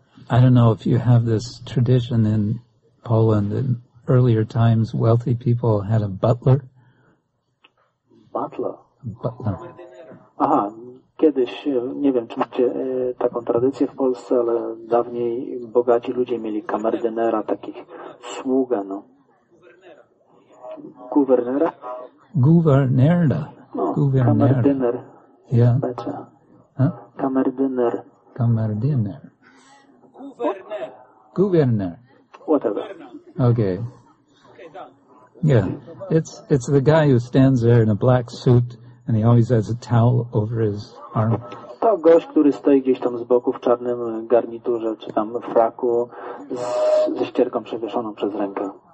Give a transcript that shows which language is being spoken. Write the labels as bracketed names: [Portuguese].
[English] I don't know if you have this tradition in Poland. In earlier times, wealthy people had a butler. Butler. Aha, [Polish] kiedyś, nie wiem, czy macie taką tradycję w Polsce, ale dawniej bogaci ludzie mieli kamerdynera, takich sługa, no. Guvernera? Guvernerda. Kamerdyner. [English] Yeah. [Polish] Kamerdyner. Kamerdyner. Guvernér. [English] Whatever. Okay. Yeah, it's the guy who stands there in a black suit and he always has a towel over his arm. [Polish] To gość, który stoi gdzieś tam z boku w czarnym garniturze czy tam fraku ze ścierką przewieszoną przez rękę.